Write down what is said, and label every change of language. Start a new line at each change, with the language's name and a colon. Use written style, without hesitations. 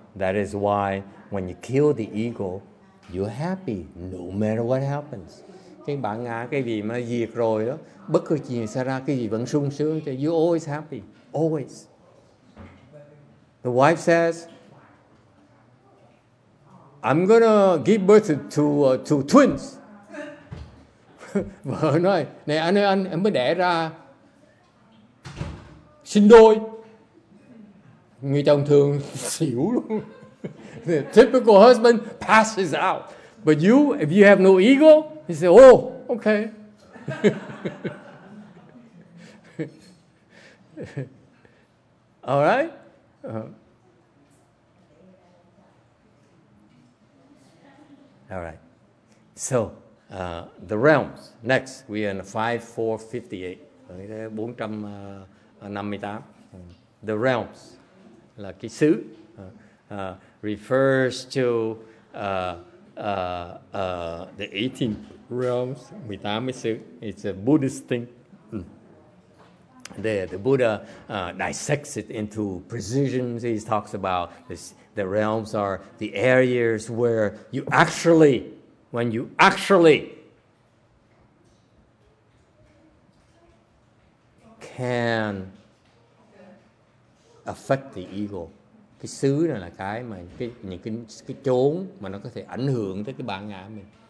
English: That is why when you kill the ego, you're happy no matter what happens.
Vietnamese: Cái bản ngã, cái gì mà diệt rồi đó, bất cứ chuyện xảy ra, cái gì vẫn sung sướng.
English: You're always happy. Always. The wife says, I'm going to give birth to twins.
Vietnamese: Vợ nói, này anh ơi, anh em mới đẻ ra sinh đôi. Người chồng thường xỉu luôn.
English: The typical husband passes out. But you, if you have no ego, he say, oh, okay. All right? All right. So, the realms. Next, we are in 5458. 458. The realms.
Vietnamese: Là cái xứ.
English: Refers to the 18 realms.
Vietnamese: 18 cái xứ.
English: It's a Buddhist thing. The Buddha dissects it into precision. He talks about this. The realms are the areas where you actually, when you actually can affect the ego.
Vietnamese: Cái xứ này là cái mà những cái chốn mà nó có thể ảnh hưởng tới cái bản ngã mình.